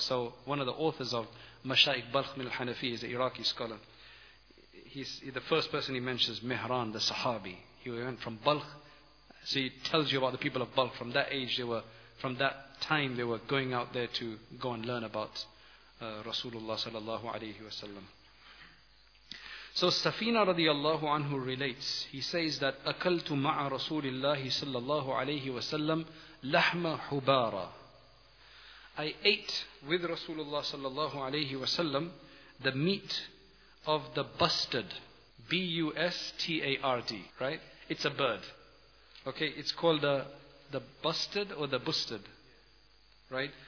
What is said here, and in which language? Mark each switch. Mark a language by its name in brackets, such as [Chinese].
[English] So one of the authors of Mashaikh Balkh Mil Hanafi is an Iraqi scholar. He's the first person he mentions, Mihran, the Sahabi. He went from Balkh, so he tells you about the people of Balkh. From that age, from that time, they were going out there to go and learn about Rasulullah sallallahu alayhi wa sallam. So Safina radiallahu anhu relates, he says that [Arabic] أَكَلْتُ مَعَ رَسُولِ اللَّهِ صَلَّى اللَّهُ عَلَيْهِ وَسَلَّمْ لَحْمَ حُبَارًا. [English] I ate with Rasulullah sallallahu alayhi wa sallam the meat of the bustard. B-U-S-T-A-R-D, right? It's a bird. Okay, it's called the bustard or the bustard. Right?